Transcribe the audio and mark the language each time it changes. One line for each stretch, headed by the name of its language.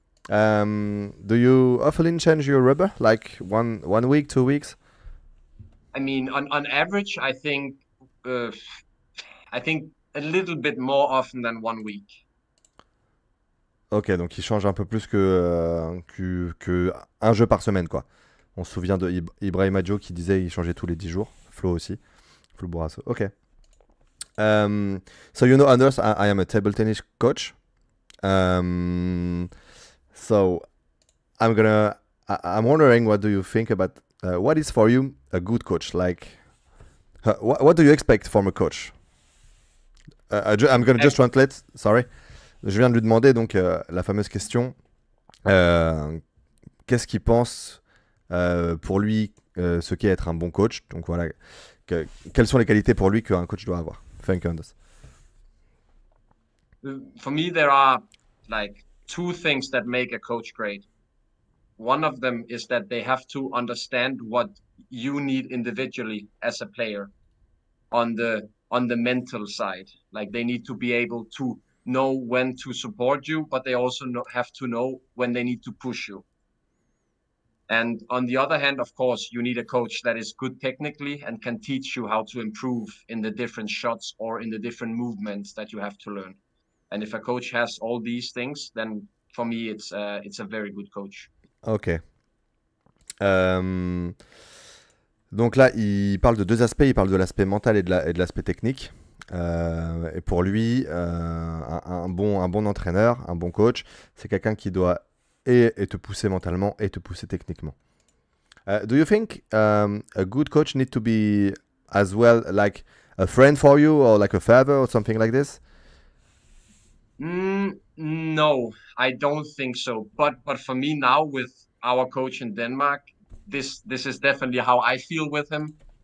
English: Do you often change your rubber? Like one week, 2 weeks? I mean, on average, I think a little bit more often than 1 week.
French: Ok, donc il change un peu plus que un jeu par semaine, quoi. On se souvient de Ibrahima Diop qui disait qu'il changeait tous les 10 jours. Flo aussi. Flo Bourassa. Ok.
English: So you know, Anders, I am a table tennis coach. So I'm wondering, what do you think about what is for you a good coach? Like, what do you expect from a coach? I'm gonna just translate. Sorry.
French: Je viens de lui demander donc la fameuse question. Qu'est-ce qu'il pense pour lui ce qu'est être un bon coach? Donc voilà, quelles sont les qualités pour lui qu'un coach doit avoir?
English: Thank you, Anders. For me, there are like two things that make a coach great. One of them is that they have to understand what you need individually as a player on the mental side. Like they need to be able to know when to support you, but they also have to know when they need to push you. And on the other hand, of course, you need a coach that is good technically and can teach you how to improve in the different shots or in the different movements that you have to learn. And if a coach has all these things, then for me, it's a very good coach. Ok.
French: Donc là, il parle de deux aspects. Il parle de l'aspect mental et de l'aspect technique. Et pour lui, un bon entraîneur, un bon coach, c'est quelqu'un qui doit et te pousser mentalement et te pousser techniquement.
English: Do you think a good coach need to be as well like a friend for you or like a father or something like this? No, I don't think so. But for me now, with our coach in Denmark, this is definitely how I feel with him.